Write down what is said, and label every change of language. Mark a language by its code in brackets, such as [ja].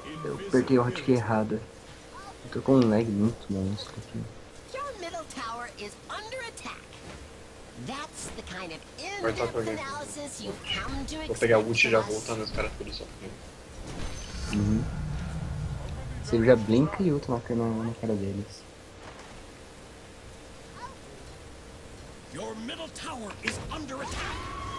[pt] Eu perdi o hotkey errado. Eu tô com um lag muito monstro aqui. [en] Your middle tower is under attack. That's the kind of analysis you come to expect. [pt] Vou pegar o ult e já voltando, os caras tudo sofrendo. Uhum. Você já blinka e ult na cara deles. [en] Your middle tower is under attack.